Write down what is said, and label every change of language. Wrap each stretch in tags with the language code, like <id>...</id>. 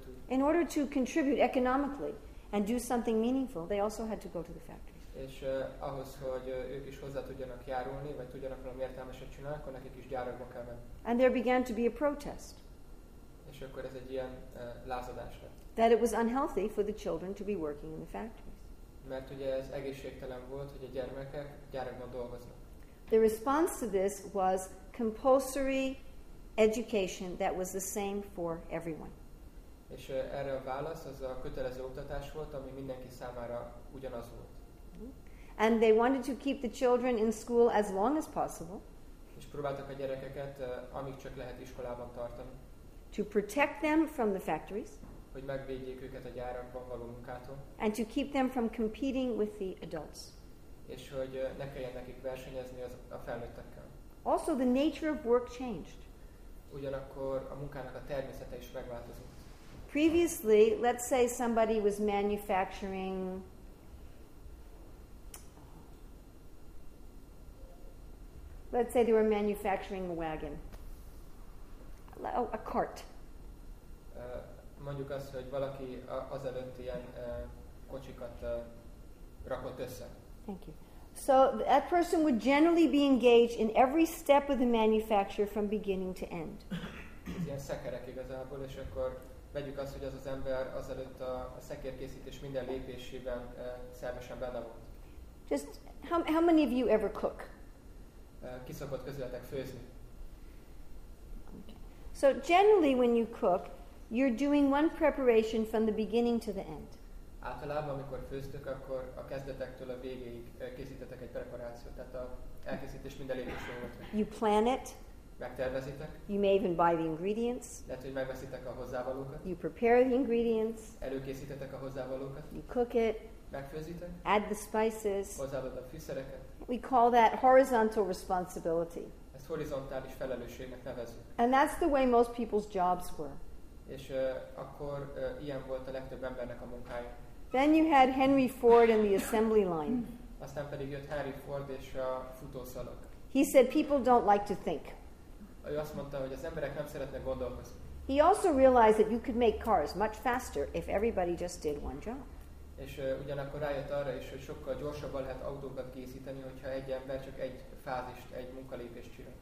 <en>In order to contribute economically, and do something meaningful, they also had to go to the factories.</en> <hu>És ahhoz, hogy ők is hozzá tudjanak járulni, vagy tudjanak valami értelmeset csinálni, akkor nekik is gyárakba kell menni.</hu> <en>And there began to be a protest.</en> <hu>És akkor ez egy ilyen lázadás lett.</hu> <en>That it was unhealthy for the children to be working in the factories.</en> <hu>Mert ugye ez egészségtelen volt, hogy a gyermekek gyárakban dolgoznak.</hu> <en>The response to this was compulsory education that was the same for everyone.</en> <hu>És erre a válasz az a kötelező oktatás volt, ami mindenki számára ugyanaz volt.</hu> <en>And they wanted to keep the children in school as long as possible.</en> <hu>És próbáltak a gyerekeket, amíg csak lehet iskolában tartani.</hu> <en>To protect them from the factories.</en> <hu>Hogy megvédjék őket a gyárakban való munkától.</hu> <en>And to keep them from competing with the adults.</en> <hu>És hogy ne kelljen nekik versenyezni a felnőttekkel.</hu> <en>Also, the nature of work changed.</en> <hu>Ugyanakkor a munkának a természete is megváltozott.</hu> <en>Previously, let's say somebody was manufacturing a wagon. A cart.</en> <hu>Mondjuk azt, hogy valaki azelőtt ilyen kocsikat rakott össze.</hu> <en>Thank you. So that person would generally be engaged in every step of the manufacture from beginning to end.</en> <hu>Ez ilyen szekerek igazából, és akkor vegyük azt, hogy az az ember azelőtt a szekérkészítés minden lépésében szervesen benne volt.</hu> <en>Just how many of you ever cook?</en> <hu>Ki szokott közületek főzni?</hu> <en>So generally when you cook, you're doing one preparation from the beginning to the end.</en> <hu>Általában, amikor főztök, akkor a kezdetektől a végéig készítetek egy preparációt, tehát a elkészítés minden lépésről volt.</hu> <en>You plan it.</en> <hu>Megtervezitek.</hu> <en>You may even buy the ingredients.</en> <hu>Lehet, hogy megveszitek a hozzávalókat.</hu> <en>You prepare the ingredients.</en> <hu>Előkészítetek a hozzávalókat.</hu> <en>You cook it.</en> <hu>Megfőzitek.</hu> <en>Add the spices.</en> <hu>Hozzáadod a fűszereket.</hu> <en>We call that horizontal responsibility.</en> <hu>Ezt horizontális felelősségnek nevezzük.</hu> <en>And that's the way most people's jobs were.</en> <hu>És akkor ilyen volt a legtöbb embernek a munkája.</hu> <en>Then you had Henry Ford and the assembly line.</en> <hu>Aztán pedig jött Harry Ford és a futószalag.</hu> <en>He said people don't like to think.</en> <hu>Ő azt mondta, hogy az emberek nem szeretnek gondolkozni.</hu> <en>He also realized that you could make cars much faster if everybody just did one job.</en> <hu>És ugyanakkor rájött arra is, hogy sokkal gyorsabban lehet autókat készíteni, hogyha egy ember csak egy fázist, egy munkalépést csinál.</hu>